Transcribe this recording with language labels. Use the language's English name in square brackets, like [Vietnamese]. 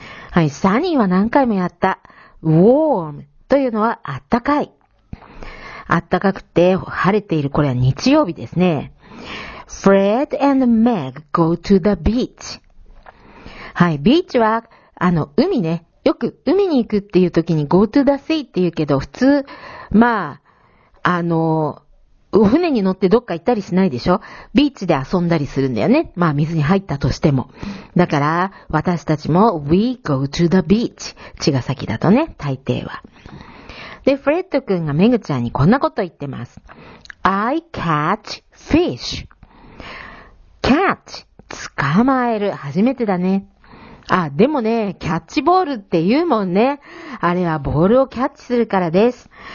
[Japanese] はい、sunny は何回もやった。warm というのはあったかい。あったかくて晴れている。これは日曜日ですね。 [English] Fred and Meg go to the beach. [Japanese] はい、ビーチは、海ね。よく、海に行くっていう時に、 [English] go to the sea [Japanese] って言うけど、普通、まあ、船に乗ってどっか行ったりしないでしょ？ビーチで遊んだりするんだよね。まあ、水に入ったとしても。だから、私たちも、 [English] we go to the beach。 [Japanese] 茅ヶ崎だとね、大抵は。で、フレッド君がメグちゃんにこんなこと言ってます。 [English] I catch fish。 [Japanese] catch、捕まえる。初めてだね。あ、でもね、キャッチボールって言うもんね。あれはボールをキャッチするからです。